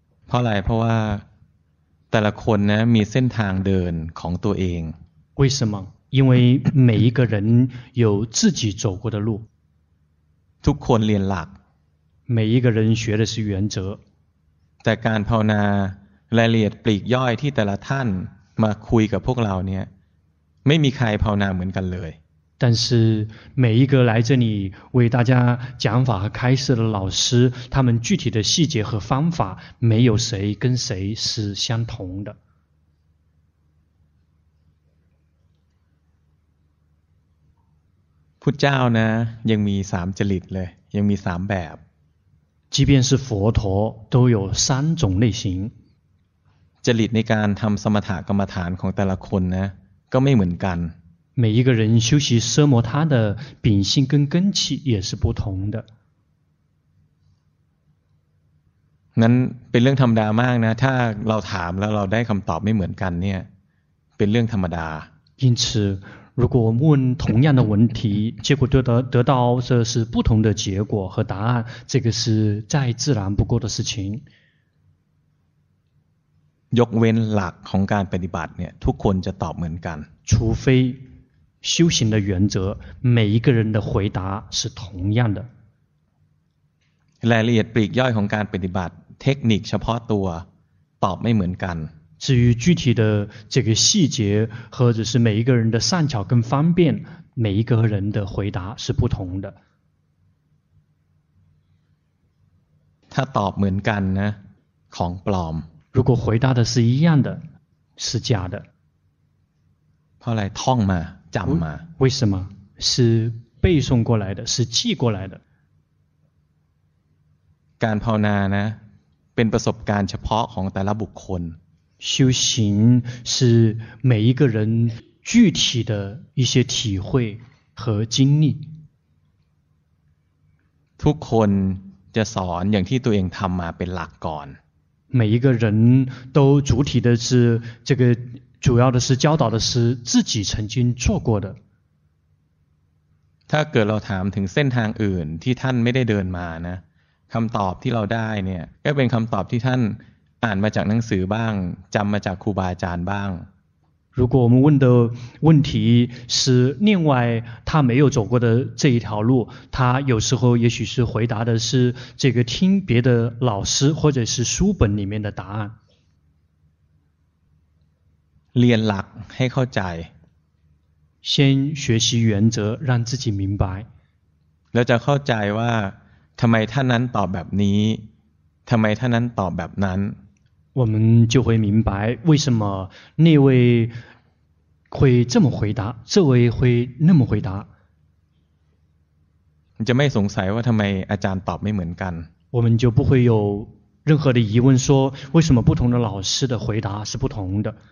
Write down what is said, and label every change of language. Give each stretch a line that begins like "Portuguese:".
Thai: เพราะอะไรเพราะว่าแต่ละคนนะมีเส้นทางเดินของตัวเอง
Chinese: 为什么？因为每一个人有自己走过的路。
Thai: ทุกคนเรียนหลัก
Chinese: 每一个人学的是原则。
Thai: แต่การภาวนารายละเอียดปลีกย่อยที่แต่ละท่านมาคุยกับพวกเราเนี่ยไม่มีใครภาวนาเหมือนกันเลย
Chinese: 但是每一个来这里为大家讲法和开示的老师他们具体的细节和方法没有谁跟谁是相同的
Thai: พุทธเจ้านะยังมีสามจริตเลยยังมีสามแบบ
Chinese: 即便是佛陀都有三种类型
Thai: จริตในการทำสมถะกรรมฐานของแต่ละคนนะก็ไม่เหมือนกัน
Chinese: 每一个人修习奢摩他的秉性跟根器也是不同的
Thai: นั้นเป็นเรื่องธรรมดามากนะถ้าเราถามแล้วเราได้คำตอบไม่เหมือนกันเนี่ยเป็นเรื่องธรรมดา
Chinese: 因此如果我们问同样的问题结果得到这是不同的结果和答案这个是再自然不过的事情
Thai: ยกเว้นหลักของการปฏิบัติเนี่ยทุกคนจะตอบเหมือนกัน
Chinese: 除非修行的原则每一个人的回答是同样的
Thai: รายละเอียดปลีกย่อยของการปฏิบัติเทคนิคเฉพาะตัวตอบไม่เหมือนกัน
Chinese: 至于具体的这个细节或者是每一个人的善巧跟方便每一个人的回答是不同的他
Thai: ตอบเหมือนกันนะของปลอม
Chinese: 如果回答的是一样的是假的
Thai: เพราะอะไรท่องมาจำมา
Chinese: 为什么是背诵过来的是记过来的
Thai: การภาวนานะเป็นประสบการณ์เฉพาะของแต่ละบุคคล
Chinese: 修行是每一个人具体的一些体会和经历
Thai: ทุกคนจะสอนอย่างที่ตัวเองทำมาเป็นหลักก่อน
Chinese: 每一个人都主体的是这个主要的是教导的是自己曾经做过的
Thai: ถ้าเกิดเราถามถึงเส้นทางอื่นที่ท่านไม่ได้เดินมานะคำตอบที่เราได้เนี่ยก็เป็นคำตอบที่ท่านอ่านมาจากหนังสือบ้างจำมาจากครูบาอาจารย์บ้าง
Chinese: 如果我们问的问题是另外他没有走过的这一条路他有时候也许是回答的是这个听别的老师或者是书本里面的答案
Thai: เรียนหลักให้เข้าใจ
Chinese: 先学习原则让自己明白
Thai: แล้วจะเข้าใจว่าทำไมท่านนั้นตอบแบบนี้ทำไมท่านนั้นตอบแบบนั้น
Chinese: 我们就会明白为什么那位会这么回答，这位会那么回答。
Thai: จะไม่สงสัยว่าทำไมอาจารย์ตอบไม่เหมือนกัน。
Chinese: 我们就不会有任何的疑问，说为什么不同的老师的回答是不同的。